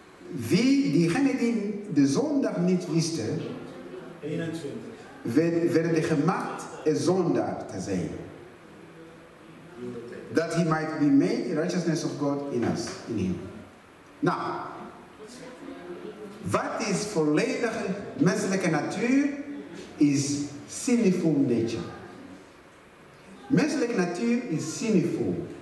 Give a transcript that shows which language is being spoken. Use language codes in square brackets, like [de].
[nl] Wie diegene die de zonde niet wist, werd gemaakt een zonde te zijn. [en] That he might be made the righteousness of God in us, in him. [nl] Nou, wat is volledige menselijke natuur? [en] Is sinful nature. [nl] Menselijke natuur is sinful.